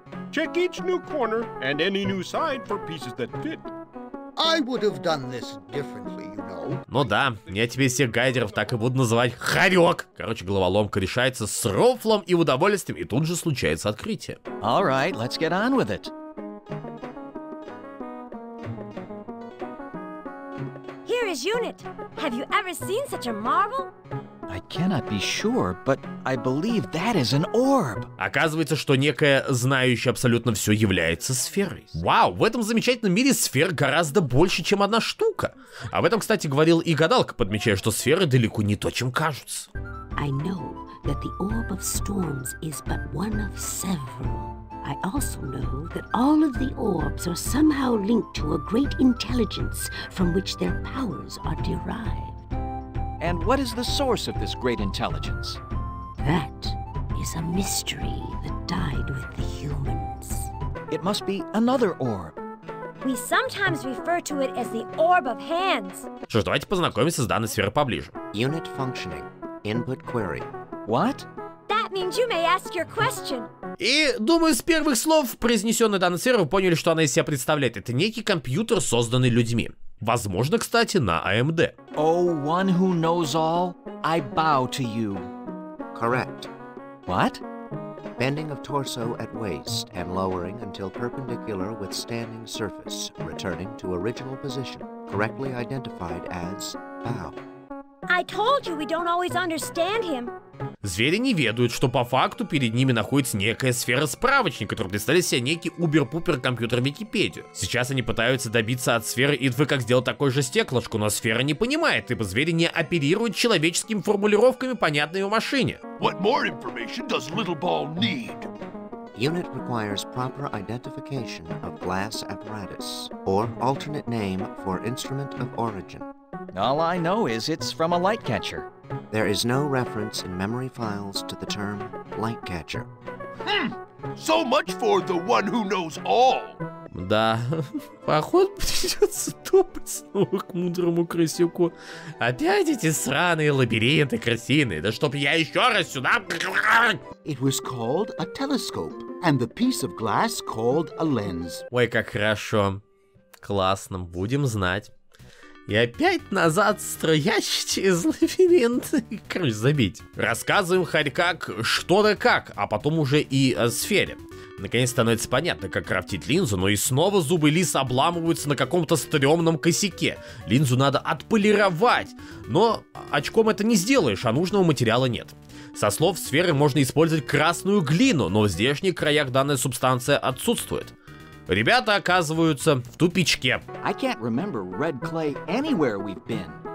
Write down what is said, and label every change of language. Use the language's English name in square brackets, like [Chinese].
[English] Check each new corner and any new side for pieces that fit. I would have done this differently, you know. [Russian] Ну да, я тебе всех гайдеров так и буду называть Харек. Короче, головоломка решается с рофлом и удовольствием, и тут же случается открытие. [English] All right, let's get on with it. Unit, have you ever seen such a marvel? I cannot be sure, but I believe that is an orb. [Russian] Оказывается, что некое знающее абсолютно все является сферой. Вау, в этом замечательном мире сфер гораздо больше, чем одна штука. Об этом, кстати, говорил и гадалка, подмечая, что сферы далеко не то, чем кажутся. [English] I know that the orb of storms is but one of several. I also know that all of the orbs are somehow linked to a great intelligence from which their powers are derived. And what is the source of this great intelligence? That is a mystery that died with the humans. It must be another orb. We sometimes refer to it as the orb of hands. [Russian] Что ж, давайте познакомимся с данной сферой поближе. [English] Unit functioning. Input query. What? That means you may ask your question. [Russian] И, думаю, с первых слов, произнесенной данной сферой, вы поняли, что она из себя представляет. Это некий компьютер, созданный людьми. Возможно, кстати, на AMD. [English] О, one who knows all, I bow to you. Correct. What? Bending of torso at waist and lowering until perpendicular with standing surface, returning to original position, correctly identified as bow. I told you we don't always understand him. [Russian] Звери не ведают, что по факту перед ними находится некая сфера-справочник, которую представили себе некий убер-пупер-компьютер Википедию. Сейчас они пытаются добиться от сферы Идвы, как сделать такое же стеклышко, но сфера не понимает, ибо звери не оперируют человеческими формулировками, понятными в машине. [English] What more information does Little Ball need? Unit requires proper identification of glass apparatus, or alternate name for instrument of origin. All I know is it's from a light catcher. There is no reference in memory files to the term light catcher. Hmm. So much for the one who knows all. [Russian] Да, походу придется топать снова к мудрому крысюку. Опять эти сраные лабиринты крысиные. Да чтоб я еще раз сюда... [English] It was called a telescope, and the piece of glass called a lens. [Russian] Ой, как хорошо. Классно, будем знать. И опять назад строящий через лабиринт. Короче, забить. Рассказываем хоть как, что да как, а потом уже и о сфере. Наконец становится понятно, как крафтить линзу, но и снова зубы лиса обламываются на каком-то стрёмном косяке. Линзу надо отполировать, но очком это не сделаешь, а нужного материала нет. Со слов сферы можно использовать красную глину, но в здешних краях данная субстанция отсутствует. Ребята оказываются в тупичке. [English] I can't remember red clay anywhere we've been.